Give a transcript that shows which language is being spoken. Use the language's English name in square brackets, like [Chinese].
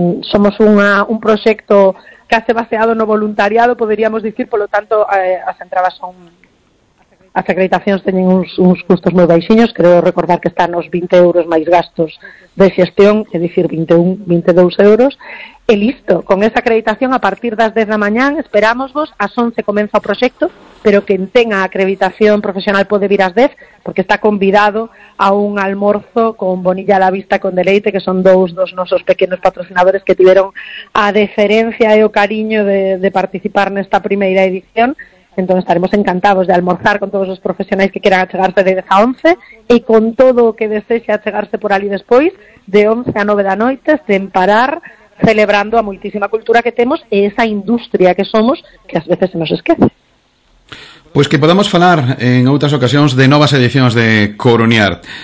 [Galician] Somos un proxecto case baseado no voluntariado, poderíamos dicir, polo tanto, as acreditacións teñen uns custos moi baixiños, creo recordar que están os 20 euros máis gastos de xestión, é dicir, 22 euros, e listo, con esa acreditación, a partir das 10 da mañán, esperámosvos, ás 11 comeza o proxecto, [Spanish] pero quien tenga acreditación profesional puede ir a SDEF, porque está convidado a un almorzo con Bonilla a la Vista con Deleite, que son dos nosos pequeños patrocinadores que tuvieron a deferencia [Galician] e o cariño de participar nesta primeira edición. [Spanish] Entonces estaremos encantados de almorzar con todos los profesionales que quieran achegarse de 10 a 11 y con todo lo que desee achegarse por allí después, de 11 a 9 de la noche, sin parar, celebrando a muchísima cultura que tenemos y esa industria que somos, que a veces [Galician] se nos esquece. Pues que podamos falar en outras ocasións de novas edicións de Coruñar.